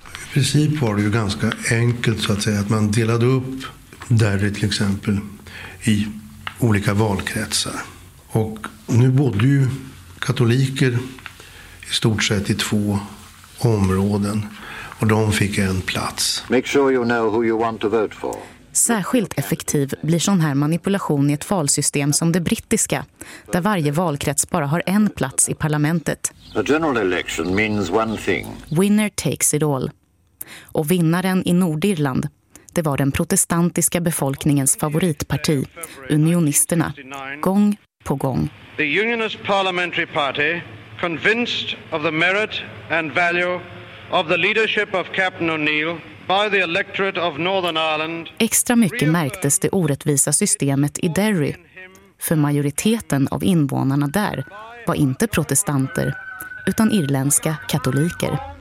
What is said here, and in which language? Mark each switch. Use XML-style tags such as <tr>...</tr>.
<sv>I princip var det ju ganska enkelt så att säga att man delade upp Derry till exempel i olika valkretsar. Och nu bodde ju katoliker i stort sett i två områden och de fick en plats.</sv> <en>Make sure you know who you want to vote for.</en> <sv>Särskilt effektiv blir sån här manipulation i ett valsystem som det brittiska, där varje valkrets bara har en plats i parlamentet.</sv> <en>A general election means one thing. Winner takes it all.</en> <sv>Och vinnaren i Nordirland, det var den protestantiska befolkningens favoritparti, unionisterna, gång på gång.</sv> <en>The Unionist Parliamentary Party, convinced of the merit and value of the leadership of Captain O'Neill by the electorate of Northern Ireland.</en> <sv>Extra mycket märktes det orättvisa systemet i Derry, för majoriteten av invånarna där var inte protestanter utan irländska katoliker.</sv>